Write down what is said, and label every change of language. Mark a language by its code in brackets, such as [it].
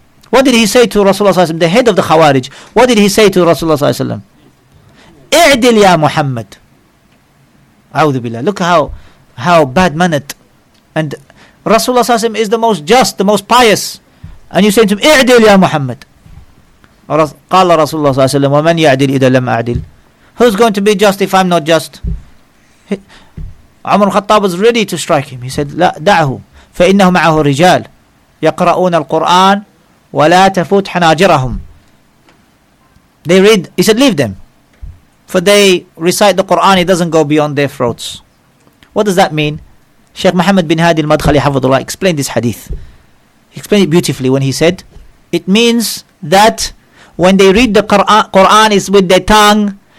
[en] What did he say to Rasulullah ﷺ, the head of the Khawarij? What did he say to Rasulullah ﷺ? [ar] I'dil ya Muhammad. A'udhu billah. [en] Look how bad-mannered. And Rasulullah ﷺ is the most just, the most pious. And you say to him, [ar] I'dil ya Muhammad. [en] Qala Rasulullah ﷺ, [ar] وَمَنْ يَعْدِلْ إِذَا لَمْ أَعْدِلْ. [en] Who's going to be just if I'm not just? Umar al-Khattab was ready to strike him. He said, [ar] لا دعه فإنه معه رجال يقرؤون القرآن ولا تفوت حناجرهم. [en] They read, he said, leave them. For they recite the Quran, it doesn't go beyond their throats. What does that mean? Sheikh Muhammad bin Hadi al-Madkhali Hafidhullah explained this hadith. He explained it beautifully when he said, it means that when they read the Quran, it's with their tongue,